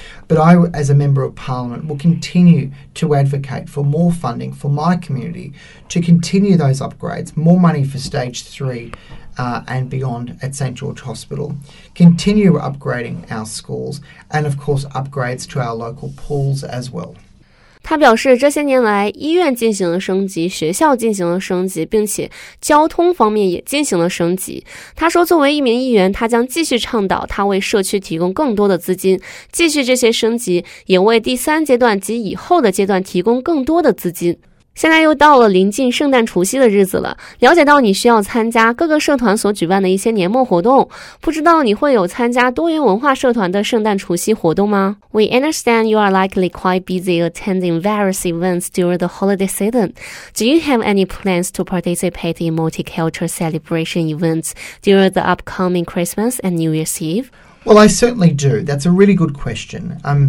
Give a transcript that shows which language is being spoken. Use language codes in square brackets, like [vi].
[en] But I, as a Member of Parliament, will continue to advocate for more funding for my community to continue those upgrades, more money for Stage 3and beyond at St. George Hospital, continue upgrading our schools, and of course upgrades to our local pools as well. [zh] 他表示这些年来医院进行了升级，学校进行了升级，并且交通方面也进行了升级。他说作为一名议员，他将继续倡导他为社区提供更多的资金，继续这些升级，也为第三阶段及以后的阶段提供更多的资金。现在又到了临近圣诞除夕的日子了，了解到你需要参加各个社团所举办的一些年末活动，不知道你会有参加多元文化社团的圣诞除夕活动吗？ [en] We understand you are likely quite busy attending various events during the holiday season. Do you have any plans to participate in multicultural celebration events during the upcoming Christmas and New Year's Eve? Well, I certainly do. That's a really good question.